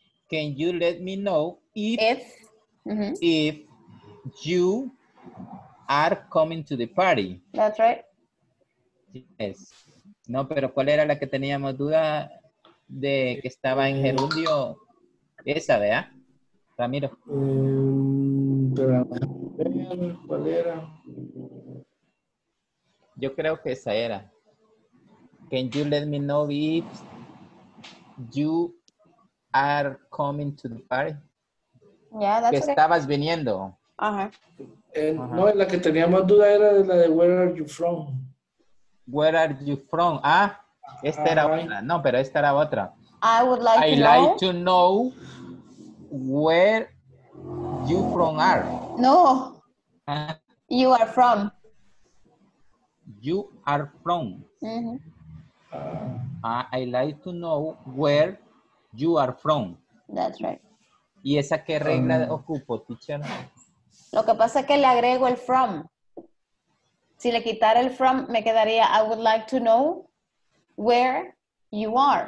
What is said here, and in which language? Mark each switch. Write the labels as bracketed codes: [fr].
[en] Can you let me know if you are coming to the party? That's right. Yes. [es] No, pero ¿cuál era la que teníamos duda de que estaba en gerundio? Esa, ¿verdad? Ramiro. ¿Cuál era? Yo creo que esa era. [en] Can you let me know if you are coming to the party? Yeah, that's [es] que estabas viniendo. Uh-huh. No, la que teníamos duda era de la de [en] where are you from. Where are you from? [es] Ah, esta era otra. No, pero esta era otra. [en] I would like to know. Where you from are. No. You are from. You are from. Mm-hmm. I like to know where you are from. That's right. [es] ¿Y esa qué regla ocupo, teacher? Lo que pasa es que le agrego el from. Si le quitara el from, me quedaría [en] I would like to know where you are.